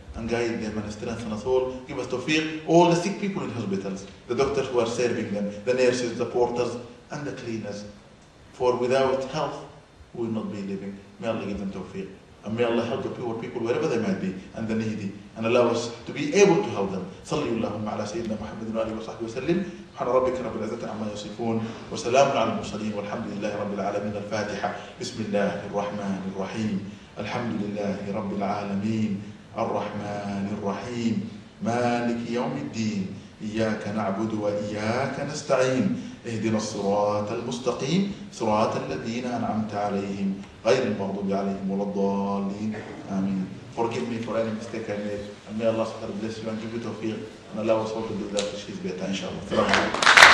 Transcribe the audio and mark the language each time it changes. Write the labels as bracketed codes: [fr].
[en] And guide them and strengthen us all. Give us tawfiq. All the sick people in hospitals, the doctors who are serving them, the nurses, the porters, and the cleaners. For without health, we will not be living. May Allah give them tawfiq. And may Allah help the poor people wherever they might be and the needy and allow us to be able to help them. [ar] صَلِّ اللَّهُمَّ عَلَى سَيِّدْنَا مُحَمَّدٍ وَآلِهِ وَصَحْبِهِ وَسَلِّمْ سبحان ربك رب العزة عما يصفون وسلام على المرسلين والحمد لله رب العالمين الفاتحة بسم الله الرحمن الرحيم الحمد لله رب العالمين الرحمن الرحيم مالك يوم الدين إياك نعبد وإياك نستعين اهدنا الصراط المستقيم صراط الذين أنعمت عليهم غير المغضوب عليهم ولا الضالين آمين. [en] Forgive me for any mistake I made and may Allah bless you and give you tawfiq and allow us all to do that which is better inshallah.